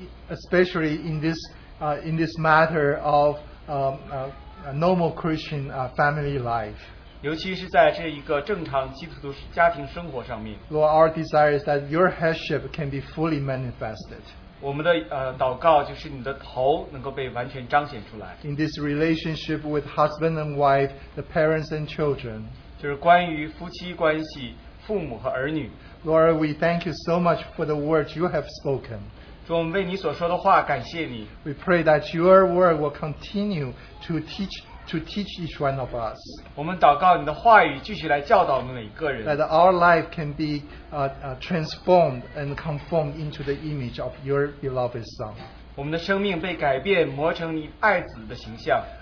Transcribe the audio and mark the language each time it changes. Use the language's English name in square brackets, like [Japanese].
[English] Especially in this matter of a normal Christian family life. [Chinese] 尤其是在这一个正常基督徒家庭生活上面。 [English] Lord, our desire is that your headship can be fully manifested. [Chinese] 我们的 祷告就是你的头能够被完全彰显出来。 [English] In this relationship with husband and wife, the parents and children. [Chinese] 就是关于夫妻关系，父母和儿女。 [English] Lord, we thank you so much for the words you have spoken. [Chinese] 主我们为你所说的话感谢你。 [English] We pray that your word will continue to teach each one of us. [Chinese] 我们祷告你的话语继续来教导我们每一个人。 [English] That our life can be transformed and conformed into the image of your beloved Son. [Chinese] 我们的生命被改变，磨成你爱子的形象。